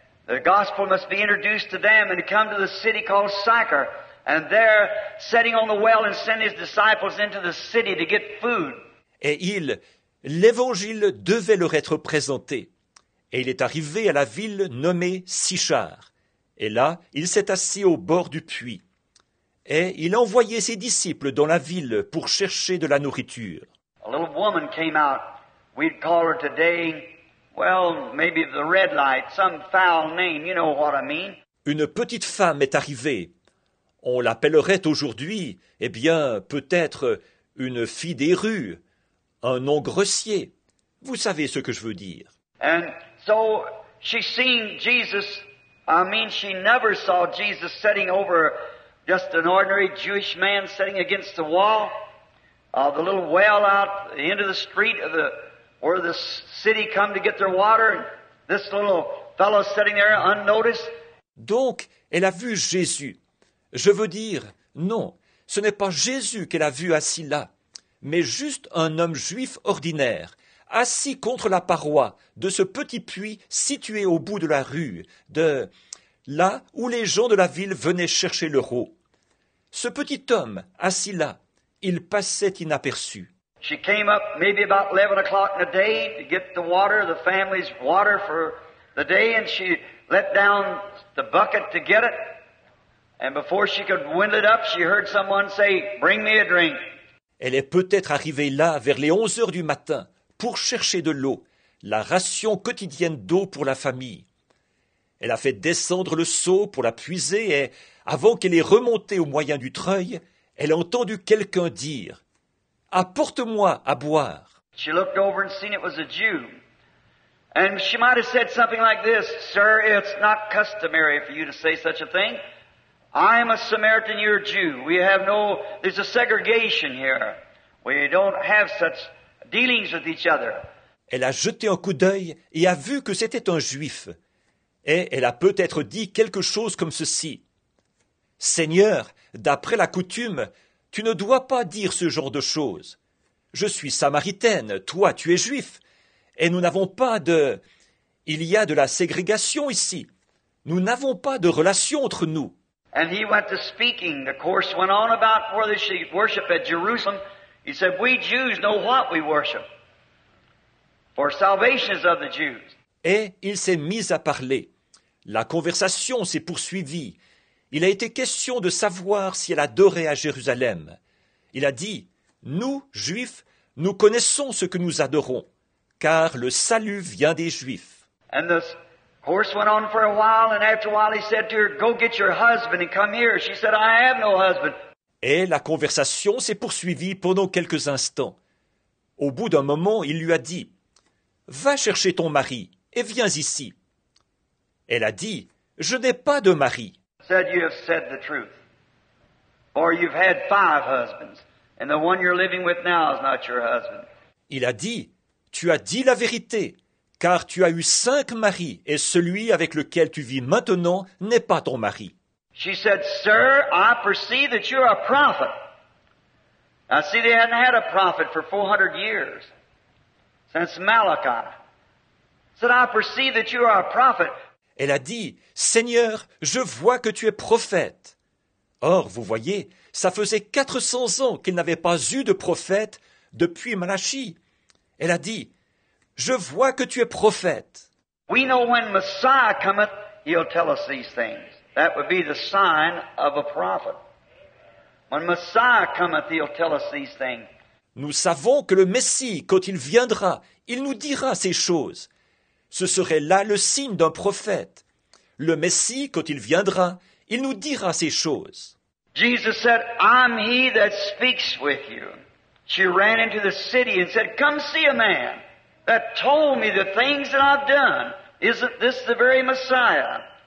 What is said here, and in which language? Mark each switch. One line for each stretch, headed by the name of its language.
English: The gospel must be introduced to them and come to the city called Sychar. And there, sitting on the well, and send his disciples into the city to get food.
French: Et l'évangile devait leur être présenté. Et il est arrivé à la ville nommée Sychar. Et là, il s'est assis au bord du puits. Et il envoyait ses disciples dans la ville pour chercher de la nourriture.
English: A little woman came out. We'd call her today, well, maybe the red light, some foul name, you know what I mean.
French: Une petite femme est arrivée. On l'appellerait aujourd'hui, eh bien, peut-être une fille des rues, un nom grossier. Vous savez ce que je veux dire.
English: And so she seen Jesus, I mean she never saw Jesus sitting over just an ordinary Jewish man sitting against the wall of the little well out the end of the street of the where the city come to get their water, and this little fellow sitting there unnoticed.
French: Donc, elle a vu Jésus. Je veux dire, non, ce n'est pas Jésus qu'elle a vu assis là, mais juste un homme juif ordinaire, assis contre la paroi de ce petit puits situé au bout de la rue, de là où les gens de la ville venaient chercher leur eau. Ce petit homme, assis là, il passait inaperçu.
English: She came up maybe about 11 o'clock in the day to get the water, the family's water for the day, and she let down the bucket to get it. And before she could wind it up, she heard someone say, bring me a drink.
French: Elle est peut-être arrivée là vers les 11 heures du matin pour chercher de l'eau, la ration quotidienne d'eau pour la famille. Elle a fait descendre le seau pour la puiser et avant qu'elle ait remonté au moyen du treuil, elle a entendu quelqu'un dire, apporte-moi à boire.
English: She looked over and seen it was a Jew. And she might have said something like this, sir, it's not customary for you to say such a thing. I am a Samaritan, you're a Jew. There's a segregation here. We don't have such dealings with each other.
French: Elle a jeté un coup d'œil et a vu que c'était un juif. Et elle a peut-être dit quelque chose comme ceci. Seigneur, d'après la coutume, tu ne dois pas dire ce genre de choses. Je suis samaritaine, toi tu es juif, et nous n'avons pas de... Il y a de la ségrégation ici. Nous n'avons pas de relation entre nous.
English: And he went to speaking. The course went on about whether she worshiped at Jerusalem. He said, we Jews know what we worship. For salvation is of the Jews.
French: Et il s'est mis à parler. La conversation s'est poursuivie. Il a été question de savoir si elle adorait à Jérusalem. Il a dit, « Nous, Juifs, nous connaissons ce que nous adorons, car le salut vient des Juifs. »
English: And the course went on for a while, and after a while he said to her, « Go get your husband and come here. » She said, « I have no husband. »
French: Et la conversation s'est poursuivie pendant quelques instants. Au bout d'un moment, il lui a dit, « Va chercher ton mari et viens ici. » Elle a dit, « Je n'ai pas de mari. »
English: Said you have said the truth, for you've had five husbands, and the one you're living with now is not your husband.
French: Il a dit, tu as dit la vérité, car tu as eu cinq maris, et celui avec lequel tu vis maintenant n'est pas ton mari.
English: She said, sir, I perceive that you're a prophet. Now see, they hadn't had a prophet for 400 years, since Malachi. Said, I perceive that you are a prophet.
French: Elle a dit, « Seigneur, je vois que tu es prophète. » Or, vous voyez, ça faisait 400 ans qu'il n'avait pas eu de prophète depuis Malachie. Elle a dit, « Je vois que tu es prophète. »
English: We know when Messiah cometh, he'll tell us these things. That would be the sign of a prophet. When Messiah cometh, he'll tell us these things.
French: Nous savons que le Messie, quand il viendra, il nous dira ces choses. Ce serait là le signe d'un prophète. Le Messie, quand il viendra, il nous dira ces choses.
English: Jesus said, I'm he that speaks with you. She ran into the city and said, come see a man that told me the things that I've done. Isn't this the very Messiah?